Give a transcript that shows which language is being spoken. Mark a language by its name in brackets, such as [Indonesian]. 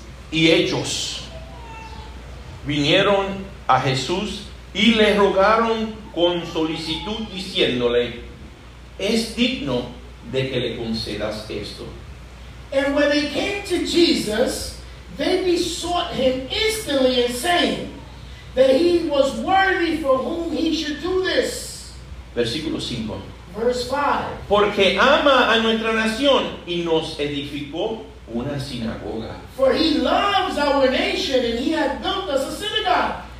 [Spanish] Y ellos vinieron a Jesús y le rogaron con solicitud diciéndole, es digno de que le concedas esto. [English] And when they came to Jesus, they besought him instantly and saying that he was worthy for whom he should do this. [Spanish] Versículo 5. [English] Verse 5. [Spanish] Porque ama a nuestra nación y nos edificó una sinagoga. [English] For he loves our nation and he has built us a synagogue.